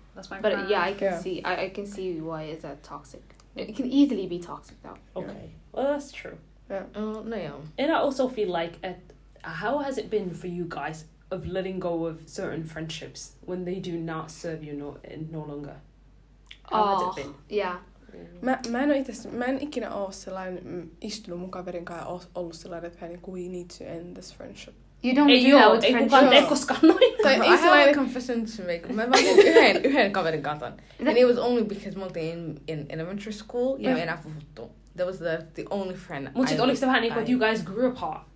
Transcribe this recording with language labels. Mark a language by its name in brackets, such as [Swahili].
[English] That's my problem. But yeah, I can see, I can see why is that toxic. It can easily be toxic though. Okay. Yeah. Well, that's true. Yeah. And I also feel like, how has it been for you guys of letting go of certain friendships when they do not serve you no longer? How has it been? Yeah. [Finnish] Mä en ikinä oo sellainen istunut mun kaverin kanssa ja ollut sellainen, että niin kuin [English] we need to end this friendship. You don't [Finnish] ei [English] do joo, that with friendship. [Finnish] Ei kukaan tee koskaan noin. [English] I have a confession to make. [Finnish] Mä vaan olin yhden kaverin kanssa. [English] And it was only because [Finnish] me oltiin [English] in elementary school. [Finnish] Ja me enää puhuttu. [English] That was the only friend. [Finnish] Mut sit oliko se vähän niin kuin, [English] you guys grew apart?